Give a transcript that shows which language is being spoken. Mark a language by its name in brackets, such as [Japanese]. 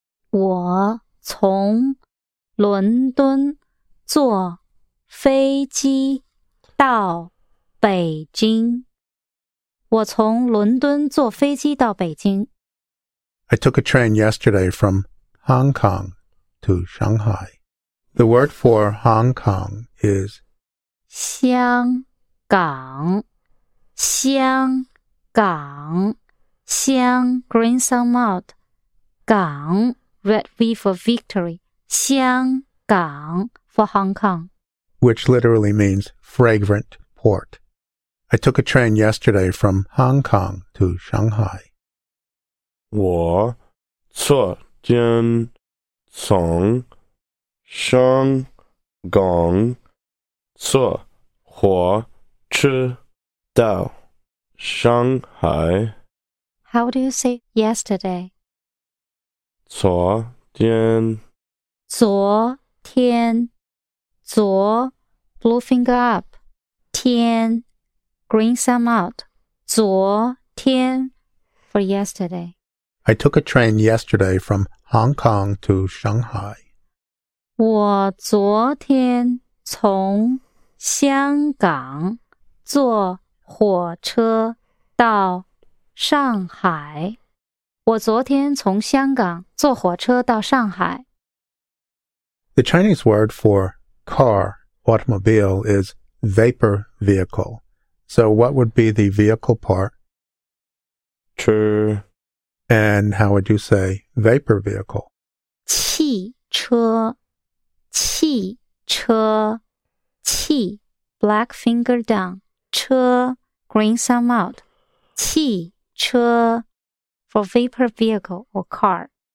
[Chinese] 我从伦敦坐飞机到北京. 我从伦敦坐飞机到北京。 [English] I took a train yesterday from Hong Kong to Shanghai. The word for Hong Kong is 香港香港香 green sun mount 港 red leaf of victory 香港 for Hong Kong. Which literally means fragrant port. I took a train yesterday from Hong Kong to Shanghai. [Chinese] 我昨天从香港坐火车到上海。 [English] How do you say yesterday? [Chinese] 昨天昨天昨 [English] blue finger up 天 green thumb out [Chinese] 昨天 [English] for yesterday. I took a train yesterday from Hong Kong to Shanghai. [Chinese] 我昨天从香港坐火车到上海。我昨天从香港坐火车到上海。 [English] The Chinese word for car, automobile, is vapor vehicle. So what would be the vehicle part? [Chinese] 车。 [English] And how would you say vapor vehicle? [Chinese] 汽车汽车汽 [English] black finger down 车 green thumb out [Chinese] 汽车 [English] for vapor vehicle or car.